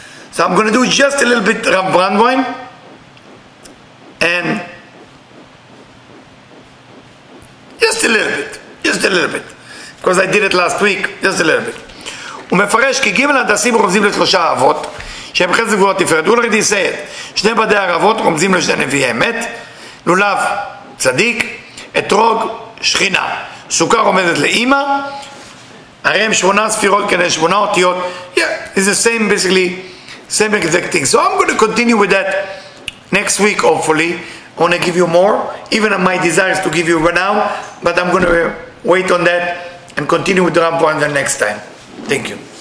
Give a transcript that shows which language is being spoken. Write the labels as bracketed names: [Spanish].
[English] So I'm going to do just a little bit Rav Brandwein, and just a little bit, because I did it last week, just a little bit. [Hebrew] הוא מפרש כי ג' הדסים רומזים לשלושה אבות שהם חסד גבורת תפארת. הוא לרדי סייד, שני בדי ערבות רומזים לשני נביאי אמת, לולב צדיק, אתרוג שכינה. סוכה רומזת לאימא, הרי הם שמונה ספירות כדי שמונה אותיות. [English] Yeah, it's the same basically, same exact thing. So I'm going to continue with that next week hopefully. I want to give you more, even if my desire is to give you right now, but I'm going to wait on that and continue with the Rambam next time. Thank you.